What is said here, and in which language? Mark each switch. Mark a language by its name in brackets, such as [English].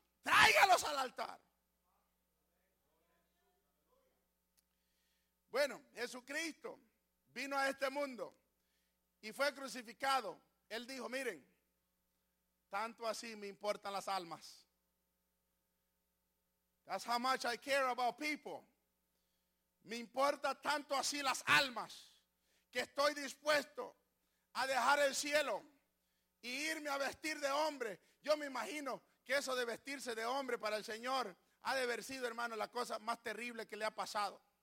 [Spanish] Tráigalos al altar. Bueno, Jesucristo vino a este mundo y fue crucificado. Él dijo, miren, tanto así me importan las almas. [English] That's how much I care about people. [Spanish] Me importa tanto así las almas. Que estoy dispuesto a dejar el cielo y irme a vestir de hombre. Yo me imagino que eso de vestirse de hombre para el Señor ha de haber sido, hermano, la cosa más terrible que le ha pasado.